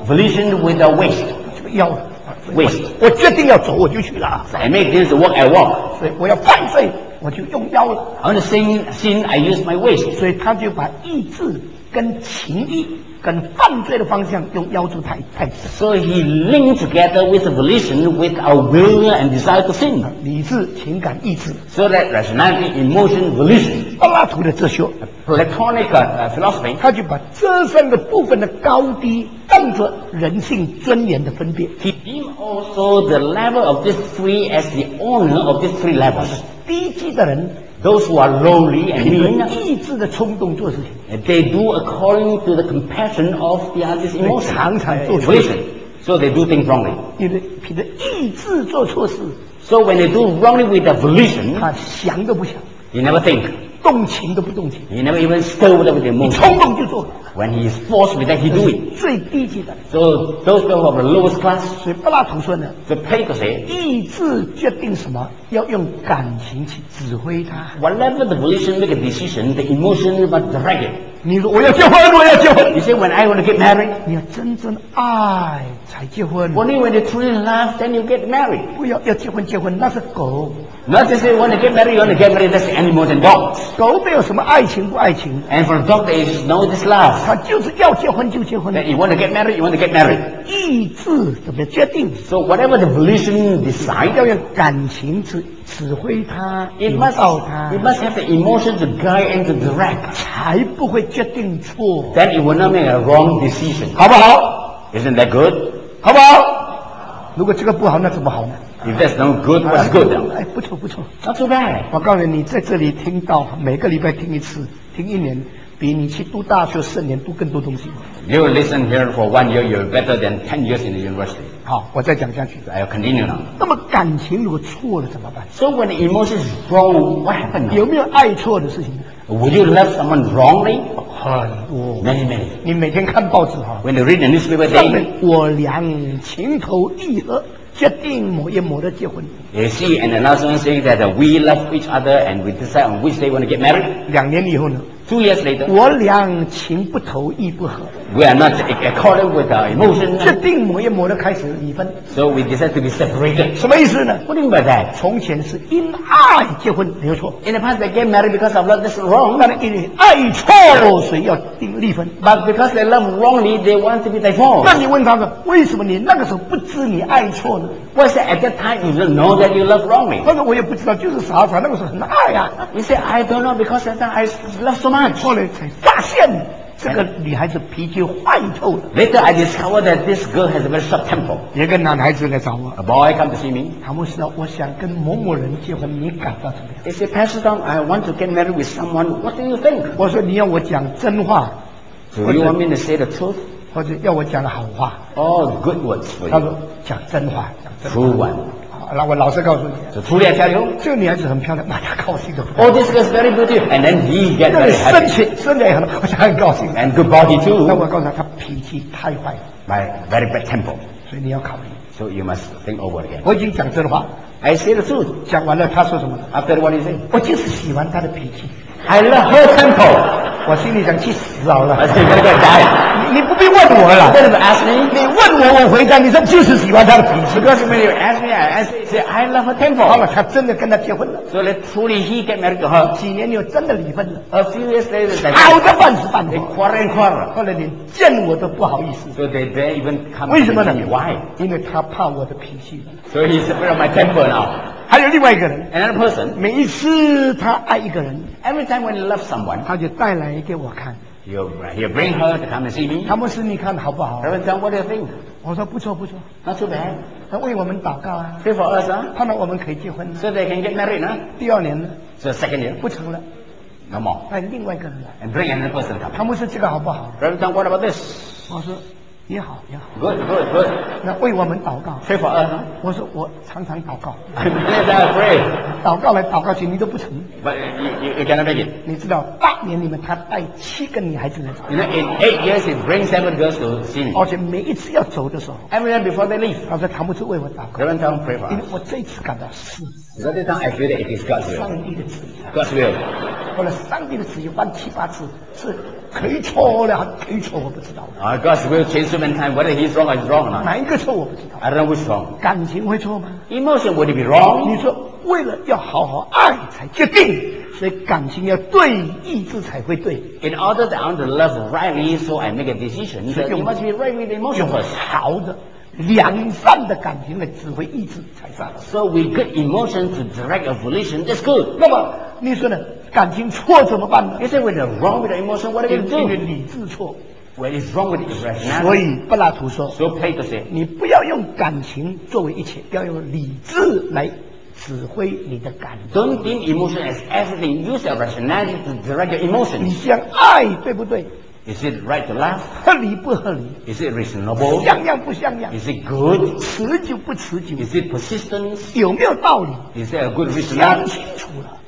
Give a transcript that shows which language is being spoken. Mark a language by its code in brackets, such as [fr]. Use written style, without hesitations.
[en] Volition with the waist. [zh] 这个腰。 [en] Waste. [zh] 我决定要走，我就去了。 [en] So、I make this work, I walk. [zh] 所以我要犯罪，我就用腰了。 [en] On the same sin, I use my waist. [zh] 所以他就把意志跟情意跟犯罪的方向用腰柱太。 [en] So he linked together with the volition, with our will and desire to sin. [zh] 理智、情感、意志。 [en] So that rationality, emotion, volition. [zh] 柏拉图的哲学 [en] ，Platonic philosophy. [zh] 他就把这三个部分的高低。当作人性尊严的分别。 [en] He deemed also the level of these three as the owner of these three levels. [zh] 低级的人 [en] ，those who are lowly and mean， [zh] 意志的冲动做事情。 [en] They do according to the compassion of the other's emotion. [zh] 常常做错事。 [en] So they do things wrongly. [zh] 凭着意志做错事。 [en] So when they do wrongly with the volition， [zh] 他想都不想。 [en] He never think。 [zh] 动情都不动情。 [en] He never even stirred up with the emotion。 [zh] 冲动就做。 [en] When he is forced with that, he do it. [zh] 最低级的。 [en] So those people of the lowest class. [zh] 所以柏拉图说呢。 [en] The Plato say. [zh] 意志决定什么，要用感情去指挥它。 [en] Whatever the volition make a decision, the emotion must direct it. [zh] 你说我要结婚，我要结婚。 [en] You say when I want to get married. [zh] 你要真正爱才结婚。 [en] Only when you truly love, then you get married. [zh] 不要要结婚结婚，那是狗。 [en] Not to say when you want to get married, that's animals and dogs. [zh] 狗没有什么爱情不爱情。 [en] And for a dog, there is no this love. [zh] 他就是要结婚就结婚。 [en] That you want to get married, you want to get married. [zh] 意志怎么决定 [en] ？So whatever the volition decides, [zh] 要用感情去指挥他 [en] ，it must have the emotion to guide and to direct. [zh] 才不会决定错。 [en] Then it will not make a wrong decision. [zh] 好不好 [en] ？Isn't that good? [zh] 好不好？如果这个不好，那怎么好呢？ [en] If that's no good, what's good? [zh] 哎，不错不错 [en] ，not too bad. [zh] 我告诉你，在这里听到每个礼拜听一次，听一年，比你去读大学四年读更多东西。 [en] You listen here for 1 year, you're better than 10 years in the university. [zh] 好，我再讲下去。 [en] I'll continue now. [zh] 那么感情如果错了怎么办 [en] ？So when the emotion is wrong, what happened? [zh] 有没有爱错的事情 [en] ？Would you love someone wrongly? [zh] 很多 [en] ，many many. [zh] 你每天看报纸哈 [en] ？When you read the newspaper daily, [zh] 上面我俩情投意合。决定某一某的结婚。 [en] You see, and another one says that we love each other, and we decide on which day we want to get married. [zh] 两年以后呢 [en] 2 years later, [zh] 我两情不投意不合。 [en] We are not accorded with our emotion. [zh] 决定磨一磨的开始离婚。 [en] So we decide to be separated. [zh] 什么意思呢？ [en] What do you mean by that? [zh] 从前是因爱结婚，没有错。 [en] In the past, they get married because of love. That's wrong. [zh] 那因爱错了，所以要定离婚。 [en] But because they love wrongly, they want to be divorced. [zh] 那你问他们，为什么你那个时候不知你爱错呢？ [en] Was at that time you don't know that you love wrongly? [zh] 那个我也不知道，就是傻傻那个时候很爱啊。 [en] You say I don't know because that I love so much. [zh] 后来才发现这个女孩子脾气坏透了。 [en] Later I discovered that this girl has a very sharp temper. [zh] 一个男孩子来找我。 [en] A boy come to see me. [zh] 他们说我想跟某某人结婚，你感到怎么样？ [en] He said, Pastor Tom, I want to get married with someone. What do you think? [zh] 我说你要我讲真话。 [en] Do you want me to say the truth? [zh] 或者要我讲好话。 [en] Oh, good words for you. [zh] 他说讲真话。 [en] True one. [zh] 那我老实告诉你，是初恋交流。这个女孩子很漂亮，那他高兴的。 [en] Oh, this girl is very beautiful, and then he gets very happy. [zh] 那身体身材也很好，我想很高兴。 [en] And good body too. [zh] 那我告诉他，他脾气太坏了。 [en] My very bad temper. [zh] 所以你要考虑。 [en] So you must think over again. [zh] 我已经讲真话。 [en] I say the truth. [zh] 讲完了，他说什么 [en] ？After what he said, [zh] 我就是喜欢他的脾气。 [en] I love her temper. [zh] 我心里想去死好了。 [en] I say you gotta die. [zh] 你不必问我了。 [en] You don't ask me. [zh] 你问我，我回答你说就是喜欢他的脾气。 [en] Because when you ask me, I say I love her temper. [zh] 好了，他真的跟他结婚了。 [en] So let truly he get married to her. [zh] 几年又真的离婚了。 [en] A few years later, [zh] 吵得半死半活。 [en] Quarrel and quarrel. [zh] 后来连见我都不好意思。 [en] So they don't even come. [zh] 为什么呢 [en] ？Why? [zh] 因为他怕我的脾气。 [en] So he's afraid of my temper now. [zh] 还有另外一个人 [en] ，another person， [zh] 每一次他爱一个人 [en] ，every time when he loves someone， [zh] 他就带来给我看 [en] ，he'll bring her to come and see me。 [zh] 他们说你看好不好 [en] ？Reverend John，what do you think？ [zh] 我说不错不错 [en] ，not too bad。 [zh] 他为我们祷告啊 [en] ，pray for us 啊， [zh] 盼望我们可以结婚 [en] ，so they can get married 呢。 [zh] 第二年呢 [en] ，so second year， [zh] 不成了 [en] ，no more。 [zh] 带另外一个人来 [en] ，and bring another person come。 [zh] 他们说这个好不好 [en] ？Reverend John，what about this？ [zh] 我说。也好也好 [en] good [zh] 那为我们祷告 [en] pray for us [zh] 我说我常常祷告 [en] I pray [zh] 祷告来祷告去你都不成 [en] but you cannot make it [zh] 你知道八年里面他带七个女孩子来找 [en] you know in 8 years he brings 7 girls to see me [zh] 而且每一次要走的时候 [en] every time before they leave [zh] 他说他们就为我祷告 [en] Reverend Tom pray for us [zh] 因为我这一次感到是 [en] is that the time I feel that it is God's will [zh] 上帝的旨意 [en] God's will [zh] 后来上帝的旨意换七八次是可以错了可以错我不知道 [en] God's will changes many times whether he's wrong or he's wrong or not [zh] 哪一个错我不知道 [en] I don't know which wrong [zh] 感情会错吗 [en] Emotion would it be wrong [zh] 你说为了要好好爱才决定所以感情要对意志才会对 [en] In order that I want to love rightly so I make a decision so you must be right with the emotion [zh] 用好的良善的感情来指挥意志才算 [en] So we get emotion to direct a volition that's good [zh] 那么你说呢感情错怎么办呢 [en] You say when you're wrong with the emotion what are you doing [zh] 因为理智错 [en] When it's wrong with the emotion [zh] 所以柏拉图说 [en] So Plato said [zh] 你不要用感情作为一切要用理智来指挥你的感情 [en] Don't deem emotion as everything use your rationality to direct your emotion [zh] 你想爱对不对 [en] Is it right to love? [zh] 合理不合理 [en] Is it reasonable? [zh] 像样不像样 [en] Is it good? [zh] 持久不持久 [en] Is it persistence? [zh] 有没有道理 [en] Is there a good reason? [zh] 想清楚了